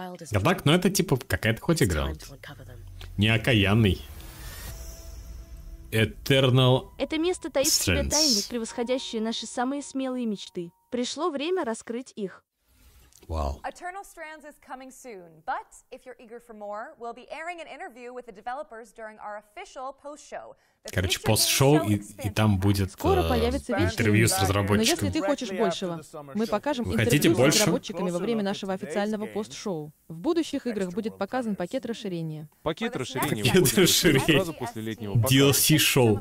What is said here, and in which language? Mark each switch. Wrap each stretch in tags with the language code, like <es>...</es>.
<ru>Да так, ну это типа какая-то хоть игра. Не окаянный. Eternal Strength. Это место таит в себе тайны, превосходящие наши самые смелые мечты. Пришло время раскрыть их. Wow.</ru> <en>Eternal Strands is coming soon, but if you're eager for more, we'll be airing an interview with the developers during our official post-show.</en> <ru>Короче, пост-шоу, и там будет интервью с разработчиками. Но если ты хочешь большего, мы покажем интервью с разработчиками во время нашего официального пост-шоу. В будущих играх будет показан пакет расширения. Пакет расширения. Пакет расширения. Сразу после летнего DLC-шоу.</ru>